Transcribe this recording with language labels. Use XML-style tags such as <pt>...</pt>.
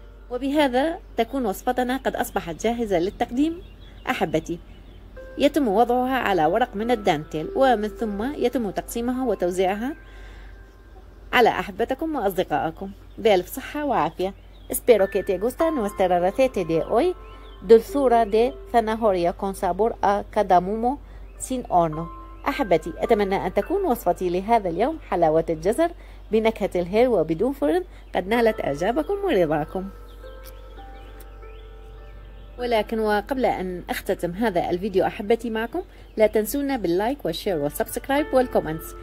<ar>وبهذا تكون وصفتنا قد أصبحت جاهزة للتقديم أحبتي. يتم وضعها على ورق من الدانتيل، ومن ثم يتم تقسيمها وتوزيعها على أحبتكم وأصدقائكم. بألف صحة وعافية.</ar> <es>Espero que te guste nuestra receta de hoy, dulzura de zanahoria con sabor a cardamomo sin horno.</es> <ar>أحبتي، أتمنى أن تكون وصفتي لهذا اليوم حلاوة الجزر بنكهة الهيل وبدون فرن قد نالت إعجابكم ورضاكم. ولكن وقبل أن أختتم هذا الفيديو أحبتي معكم، لا تنسونا باللايك والشير والسبسكرايب والكومنتس.</ar>